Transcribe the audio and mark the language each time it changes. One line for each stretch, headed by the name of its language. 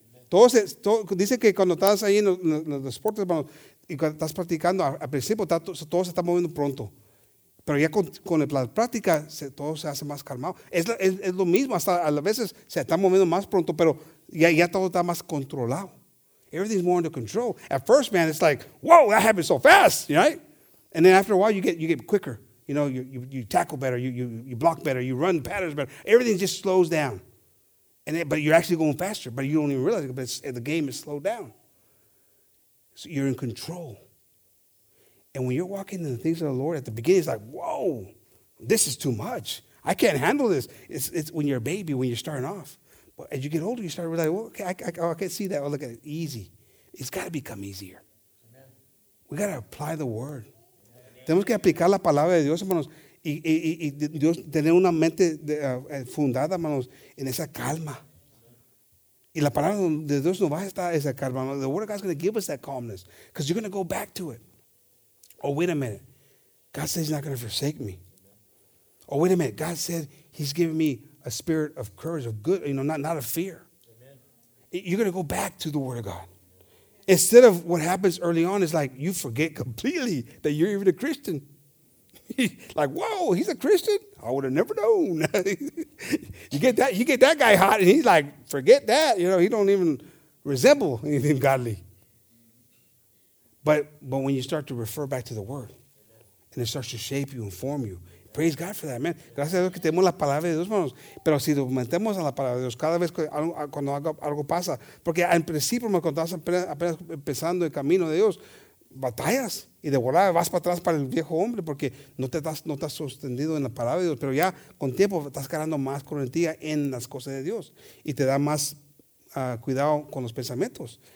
Spanish: Dice que cuando estás ahí en los deportes y cuando estás practicando, al principio todo se está moviendo pronto. Pero ya con la práctica todo se hace más calmado. Es lo mismo. Hasta a veces se está moviendo más pronto, pero ya todo está más controlado.
English: Everything's more under control. At first, man, it's like, whoa, that happened so fast, right? And then after a while, you get quicker. You know, you tackle better. You block better. You run patterns better. Everything just slows down. But you're actually going faster. But you don't even realize it. But the game is slowed down. So you're in control. And when you're walking in the things of the Lord, at the beginning, it's like, whoa, this is too much. I can't handle this. It's when you're a baby, when you're starting off. But as you get older, you start to realize, well, okay, I can see that. Oh, look at it. Easy. It's got to become easier. Amen. We got to apply the word.
Spanish: Tenemos que aplicar la palabra de Dios, hermanos, y Dios tener una mente fundada, hermanos, en esa calma. Y la palabra de Dios nos va a estar esa calma.
English: The word of God is going to give us that calmness because you're going to go back to it. Oh, wait a minute. God said he's not going to forsake me. Oh, wait a minute. God said he's giving me a spirit of courage, of good, you know, not of fear. Amen. You're going to go back to the word of God. Instead of what happens early on, it's like you forget completely that you're even a Christian. Like, whoa, he's a Christian? I would have never known. you get that guy hot, and he's like, forget that. You know, he don't even resemble anything godly. But when you start to refer back to the word, and it starts to shape you and form you, praise God for that, man.
Spanish: Gracias a Dios que tenemos la palabra de Dios, hermanos. Pero si nos metemos a la palabra de Dios, cada vez que algo pasa, porque al principio, cuando estás apenas empezando el camino de Dios, batallas y de volada vas para atrás para el viejo hombre porque no estás sostenido en la palabra de Dios. Pero ya con tiempo estás ganando más correntía en las cosas de Dios y te da más cuidado con los pensamientos.